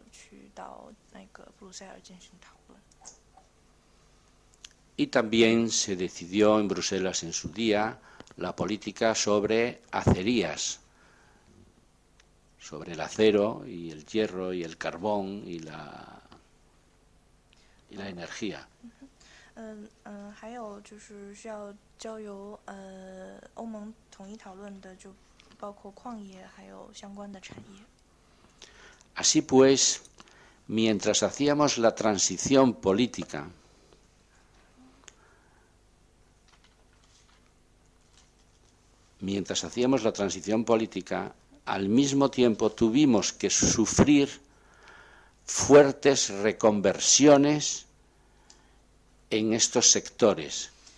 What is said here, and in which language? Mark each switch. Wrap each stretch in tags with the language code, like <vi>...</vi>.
<zh>此外呢，西班对于加利西亚地区来说，还有一个比较重要的就是造船业，然后它的相关规定也需要去到那个布鲁塞尔进行讨论。</zh> <es>Y también se decidió en Bruselas en su día la política sobre acerías, sobre el acero y el hierro y el carbón y la energía.</es> <zh>还有就是需要交由欧盟统一讨论的，就包括矿业还有相关的产业。</zh> <es>Así pues, mientras hacíamos la transición política, al mismo tiempo tuvimos que sufrir fuertes reconversiones en estos sectores.</es>